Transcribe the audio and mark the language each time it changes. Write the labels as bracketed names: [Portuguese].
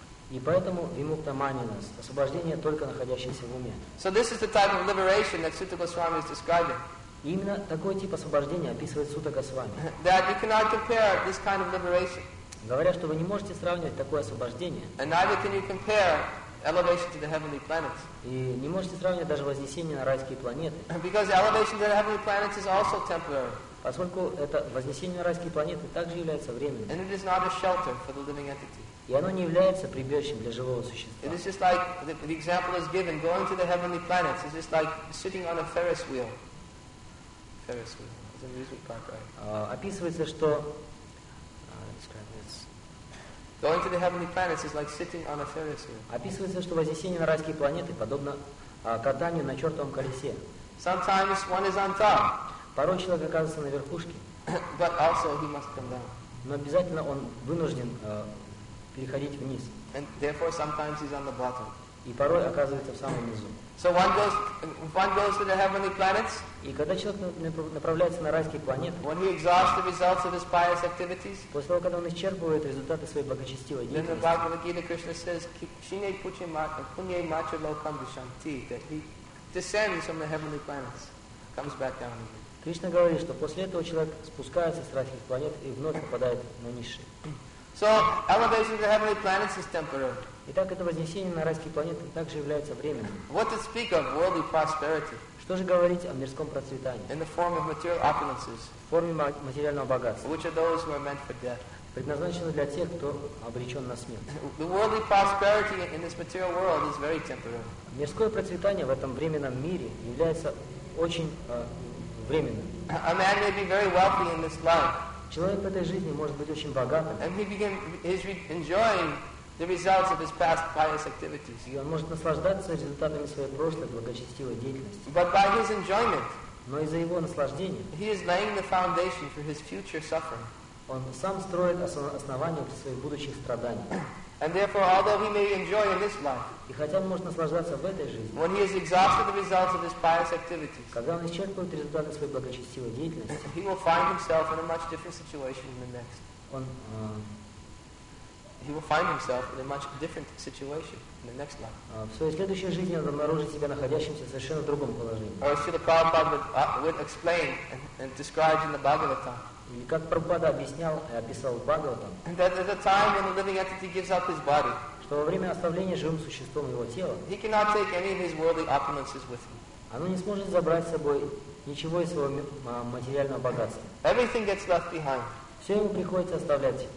[Russian] И поэтому Vimukta Maninas, освобождение только находящееся в уме. [English] So this is the type of liberation that Sutta Goswami is describing. [Russian] И именно такой тип освобождения описывает Сутта Госвами. [English] That you cannot compare this kind of liberation. [Russian] Говоря, что вы не можете сравнивать такое освобождение. [English] And neither can you compare elevation to the heavenly planets. [Russian] И не можете сравнивать даже вознесение на райские планеты. [English] Because elevation to the heavenly planets is also temporary. [Russian] Поскольку это вознесение на райские планеты также является временным. [English] And it is not a shelter for the living entity. [Russian] И оно не является прибежищем для живого существа. [English] It is just like the example is given, going to the heavenly planets is just like sitting on a Ferris wheel. Ferris wheel. It's an amusement park, right? [Russian] Описывается, что [English] describe this. Going to the heavenly planets is like sitting on a Ferris wheel. [Russian] Описывается, что вознесение на райские планеты подобно катанию на чертовом колесе. [English] Sometimes one is on top. [Russian] Порой человек оказывается на верхушке. [English] But also he must come down. [Russian] Но обязательно он вынужден переходить вниз. [English] And therefore sometimes he's on the bottom. [Russian] И порой оказывается в самом низу. [English] So one goes to the heavenly planets. [Russian] И когда человек направляется на райские планеты. [English] When he exhausts the results of his pious activities. [Russian] После того, когда он исчерпывает результаты своей благочестивой деятельности. [English] Then the Bhagavad Gita Krishna says, [Sanskrit] "Kshine puche ma, punye macha lokam vishanti." [English] That he descends from the heavenly planets, comes back down again. [Russian] Кришна говорит, что после этого человек спускается с райских планет и вновь попадает на низшие. [English] So elevation to the heavenly planets is temporary. [Russian] Итак, это вознесение на райские планеты также является временным. [English] What to speak of worldly prosperity? [Russian] Что же говорить о мирском процветании? [English] In the form of material opulences. [Russian] В форме материального богатства. [English] Which are those who are meant for death. [Russian] Предназначено для тех, кто обречен на смерть. [English] The worldly prosperity in this material world is very temporary. [Russian] Мирское процветание в этом временном мире является очень временным. [English] A man may be very wealthy in this life. [Russian] Человек в этой жизни может быть очень богатым. [English] And he is enjoying the results of his past pious activities. [Russian] И он может наслаждаться результатами своей прошлой благочестивой деятельности. [English] But by his enjoyment, [Russian] но из-за его наслаждения, [English] he is laying the foundation for his future suffering. [Russian] Он сам строит основание для своих будущих страданий. [English] And therefore, although he may enjoy in this life, [Russian] и хотя он может наслаждаться в этой жизни, [English] when he has exhausted the results of his pious activities, [Russian] когда он исчерпывает результаты своей благочестивой деятельности, [English] he will find himself in a much different situation than the next. He will find himself in a much different situation in the next life. [Russian] В своей следующей жизни он обнаружит себя находящимся в совершенно другом положении. [English] Or as Srila Prabhupada would explain and describe in the Bhagavatam. [Russian] И как Прабхупада объяснял и описал Бхагаватам, [English] that at the time when the living entity gives up his body, [Russian] что во время оставления живым существом его тела, [English] he cannot take any of his worldly opulences with him. [Russian] Оно не сможет забрать с собой ничего из своего материального богатства. [English] Everything gets left behind. [Russian] Все ему приходится оставлять.